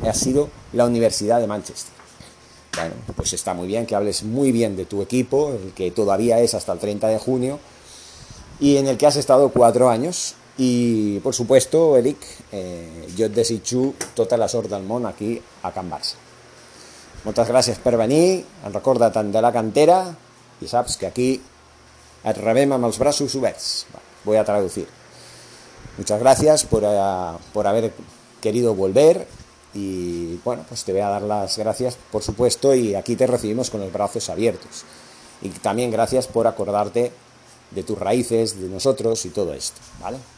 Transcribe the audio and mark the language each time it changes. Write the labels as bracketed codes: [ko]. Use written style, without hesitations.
[es] Ha sido la Universidad de Manchester. Bueno, pues está muy bien que hables muy bien de tu equipo, el que todavía es hasta el 30 de junio, y en el que has estado 4 años. Y, por supuesto, Eric, [ca] yo desitjo tota la sort del món aquí a Can Barça. Moltes gràcies per venir, en recorda tant de la cantera, i saps que aquí et rebem amb els braços oberts. [es] Bueno, voy a traducir. Muchas gracias por haber querido volver, y bueno, pues te voy a dar las gracias, por supuesto, y aquí te recibimos con los brazos abiertos. Y también gracias por acordarte de tus raíces, de nosotros y todo esto, ¿vale?